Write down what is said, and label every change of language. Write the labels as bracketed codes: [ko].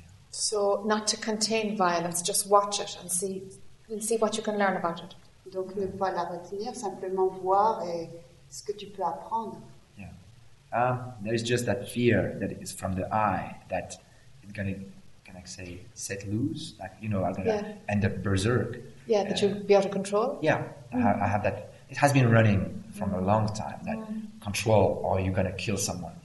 [en] So not to contain violence, just watch it and see what you can learn about it. [fr] Donc ne pas la retenir, simplement voir et ce que tu peux apprendre. [en] Yeah. There is just that fear that is from the eye that it's gonna, can I say, set loose, like, you know, I'm gonna end up berserk. Yeah, that you'll be out of control. Yeah, I have that. It has been running from a long time, that control, or you're gonna kill someone.